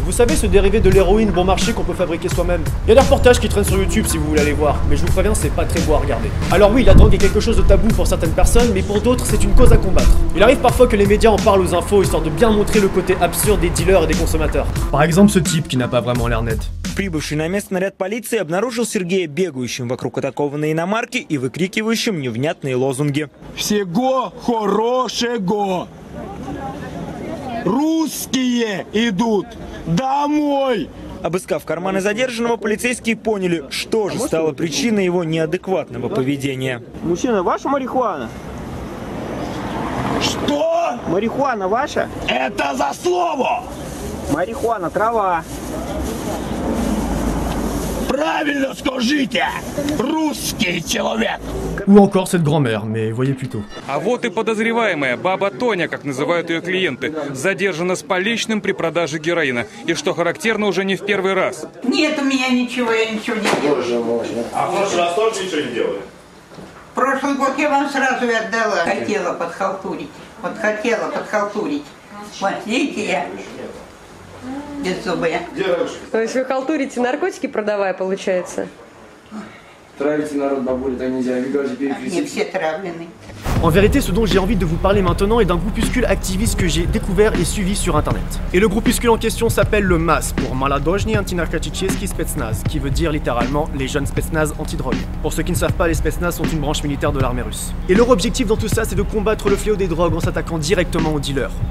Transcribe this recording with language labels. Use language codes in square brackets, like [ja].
[fr] Vous savez, ce dérivé de l'héroïne bon marché qu'on peut fabriquer soi-même. Il y a des reportages qui traînent sur YouTube si vous voulez aller voir, mais je vous préviens, c'est pas très beau à regarder. Alors oui, la drogue est quelque chose de tabou pour certaines personnes, mais pour d'autres, c'est une cause à combattre. Il arrive parfois que les médias en parlent aux infos histoire de bien montrer le côté absurde des dealers et des consommateurs. Par exemple, ce type qui n'a pas vraiment l'air net. [ru] Прибывший на место наряд полиции обнаружил Сергея бегающим вокруг атакованной иномарки и выкрикивающим невнятные лозунги. Всего хорошего! Русские идут домой! Обыскав карманы задержанного, полицейские поняли, что же стало причиной его неадекватного поведения. Мужчина, ваша марихуана? Что? Марихуана ваша? Это за слово! Марихуана, трава. Правильно скажите, русский человек! [fr] Ou encore cette grand-mère, mais voyez plutôt. [ru] А вот и подозреваемая, баба Тоня, как называют ее клиенты, задержана с поличным при продаже героина. И что характерно, уже не в первый раз. Нет у меня ничего, я ничего не делаю. Боже мой. А в прошлый раз тоже ничего не делали? Прошлый год я вам сразу и отдала. Хотела подхалтурить. Вот хотела подхалтурить. Вот видите я. Беззубая. То есть вы халтурите наркотики, продавая, получается? Травите народ, бабуля, так нельзя. Они все травлены. [fr] En vérité, ce dont j'ai envie de vous parler maintenant est d'un groupuscule activiste que j'ai découvert et suivi sur internet. Et le groupuscule en question s'appelle le MAS, pour Maladojny Antinarkotichesky Spetsnaz, qui veut dire littéralement les jeunes Spetsnaz anti-drogue. Pour ceux qui ne savent pas, les Spetsnaz sont une branche militaire de l'armée russe. Et leur objectif dans tout ça, c'est de combattre le fléau des drogues en s'attaquant directement aux dealers.